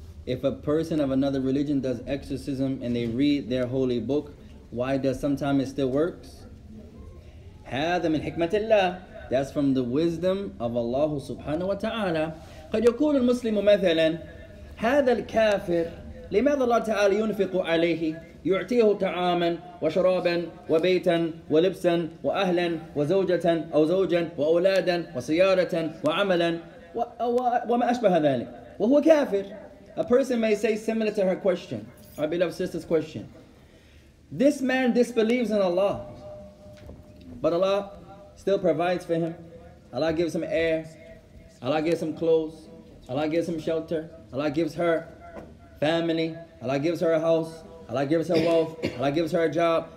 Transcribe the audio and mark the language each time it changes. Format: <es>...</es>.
<en>If a person of another religion does exorcism and they read their holy book, why does sometimes it still works?</en> <ar>هذا من حكمة الله.</ar> <en>That's from the wisdom of Allah subhanahu wa ta'ala.</en> <ar>قد يقول المسلم مثلا هذا الكافر لماذا الله تعالى ينفق عليه يعطيه طعاما وشرابا وبيتا ولبسا وأهلا وزوجة أو زوجا وأولادا وسيارة وعملا وما أشبه ذلك وهو كافر</ar> <en>A person may say similar to her question, our beloved sister's question. This man disbelieves in Allah, but Allah still provides for him. Allah gives him air. Allah gives him clothes. Allah gives him shelter. Allah gives her family. Allah gives her a house. Allah gives her wealth. Allah gives her a job.</en>